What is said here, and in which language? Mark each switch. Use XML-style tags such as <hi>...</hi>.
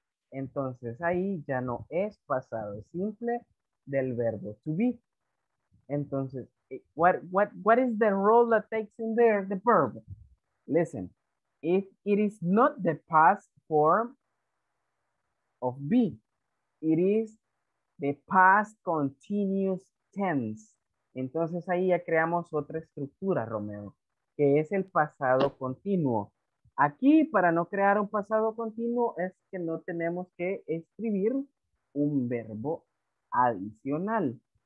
<es>Entonces, ahí ya no es pasado simple del verbo to be.</es> <en>Entonces, what is the role that takes in there, the verb? Listen, if it is not the past form of be, it is the past continuous tense.</en> <es>Entonces ahí ya creamos otra estructura, Romeo, que es el pasado continuo. Aquí, para no crear un pasado continuo, es que no tenemos que escribir un verbo adicional.</es>